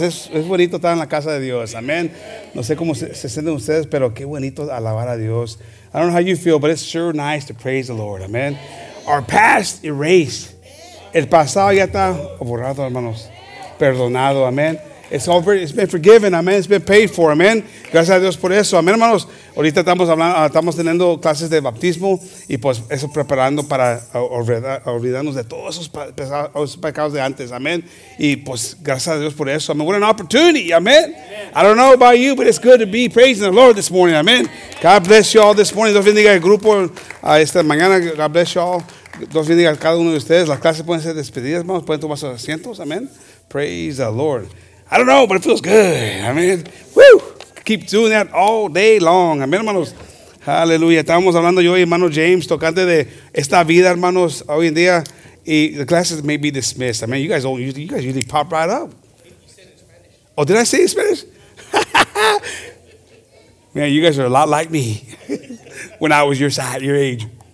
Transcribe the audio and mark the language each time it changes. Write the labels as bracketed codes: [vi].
[es] Es bonito estar en la casa de Dios. Amen. No sé cómo se sienten ustedes, pero qué bonito alabar a Dios. [en] I don't know how you feel, but it's sure nice to praise the Lord. [es] Amen. [en] Our past erased. [es] El pasado ya está borrado, hermanos. Perdonado. Amen. [en] It's been forgiven. Amen. It's been paid for. Amen. [es] Gracias a Dios por eso. [en] Amen, hermanos. [es] Ahorita estamos teniendo clases de bautismo y pues eso preparando para olvidarnos de todos esos pecados de antes. Amen. Y pues gracias a Dios por eso. Amen. [en] What an opportunity. [es] Amen. [en] I don't know about you, but it's good to be praising the Lord this morning. Amen. God bless you all this morning. [es] Dios bendiga el grupo esta mañana. [en] God bless you all. [es] Dios bendiga a cada uno de ustedes. Las clases pueden ser despedidas, hermanos. Pueden tomar sus asientos. Amen. [en] Praise the Lord. I don't know, but it feels good. I mean, woo! Keep doing that all day long. Amén, hermanos. Hallelujah. [es] Estábamos hablando yo y hermano James tocante de esta vida, hermanos, hoy en día. [en] Y the classes may be dismissed. I mean, you guys usually pop right up. You said it in Spanish. Oh, did I say it in Spanish? Man, you guys are a lot like me when I was your size, your age.